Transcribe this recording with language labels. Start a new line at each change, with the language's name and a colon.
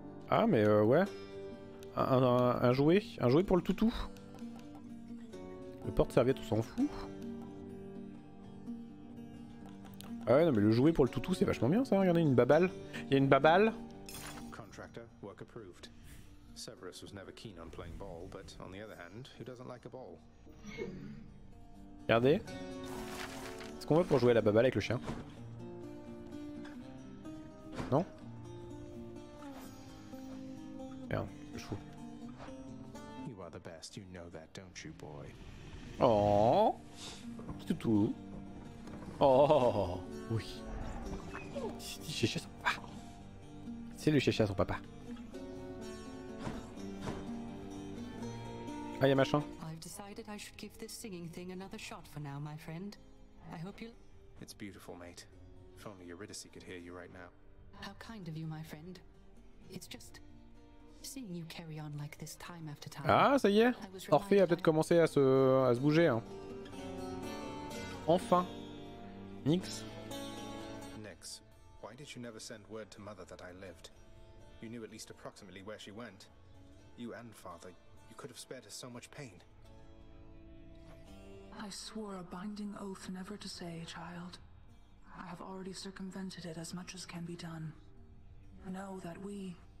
French: Ah mais ouais. Un jouet pour le toutou. Le porte-serviette, on s'en fout. Ah ouais, non mais le jouet pour le toutou, c'est vachement bien ça. Regardez, une baballe. Il y a une baballe.
English: Work approved. Severus was never keen on playing ball, but on the other hand, who doesn't like a ball?
French: Regardez. Est-ce qu'on veut pour jouer à la baballe avec le chien? Non? Merde, je fous.
English: You are the best, you know that, don't you, boy?
French: Oh, petit toutou. Oh, oui. C'est chez son papa. C'est le chez son papa. Ah, y'a machin.
English: I've decided I should give this singing thing another shot for now, my friend. I hope you... It's beautiful, mate. If only Eurydice could hear you right now. How kind of you, my friend. It's just... Seeing you carry on like this time after time...
French: Ah, ça y est. Orphée a peut-être commencé à se bouger, hein. Enfin. Nyx.
English: Nyx, why did you never send word to mother that I lived? You knew at least approximately where she went. You and father... You could have spared us so much pain. I swore a binding oath never to say, child. I have already circumvented it as much as can be done. Know that we...